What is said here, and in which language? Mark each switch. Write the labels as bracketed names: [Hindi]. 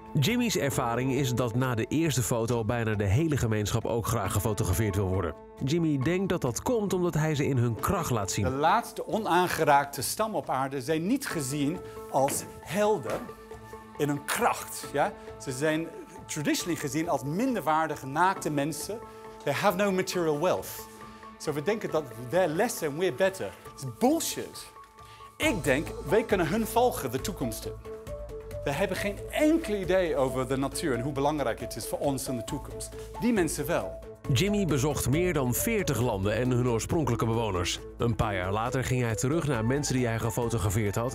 [Dutch] Jimmy's ervaring is dat na de eerste foto bijna de hele gemeenschap ook graag gefotografeerd wil worden. Jimmy denkt dat dat komt omdat hij ze in hun kracht laat zien. De laatste onaangeraakte stam op aarde zijn niet gezien als helden in hun kracht. Ja? Ze zijn traditionally gezien als minderwaardige, naakte mensen. [English] They have no material wealth. So [Dutch] we denken dat [English] they're less and we're better. It's bullshit. [Dutch] Ik denk, wij kunnen hun volgen, de toekomst in. We hebben geen enkel idee over de natuur en hoe belangrijk het is voor ons en de toekomst. Die mensen wel. Jimmy bezocht meer dan 40 landen en hun oorspronkelijke bewoners. Een paar jaar later ging hij terug naar mensen die hij gefotografeerd had.